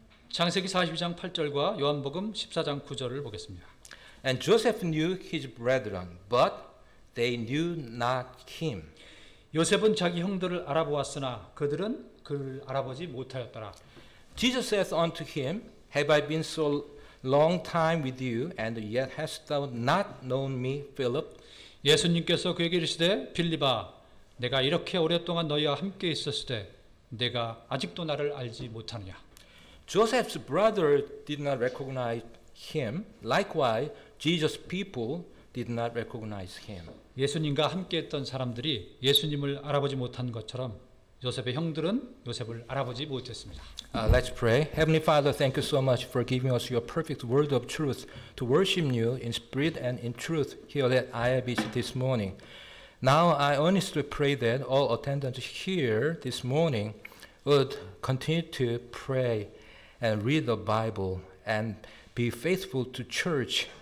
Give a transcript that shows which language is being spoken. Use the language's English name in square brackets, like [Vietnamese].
[Korean] 창세기 42장 8절과 요한복음 14장 9절을 보겠습니다. [English] And Joseph knew his brethren, but they knew not him. [Korean] 요셉은 자기 형들을 알아보았으나 그들은 그를 알아보지 못하였더라. [English] Jesus saith unto him, Have I been so long time with you, and yet hast thou not known me, Philip? [Korean] 예수님께서 그에게 이르시되 빌립아, 내가 이렇게 오랫동안 너희와 함께 있었을 때, 내가 아직도 나를 알지 못하느냐? [English] Joseph's brother did not recognize him. Likewise, Jesus' people. Did not recognize him. [Korean] 예수님과 함께했던 사람들이 예수님을 알아보지 못한 것처럼 요셉의 형들은 요셉을 알아보지 못했습니다. [English] Let's pray. Heavenly Father, thank you so much for giving us your perfect word of truth to worship you in spirit and in truth here at IIBC this morning. Now I honestly pray that all attendants here this morning would continue to pray and read the Bible and be faithful to church.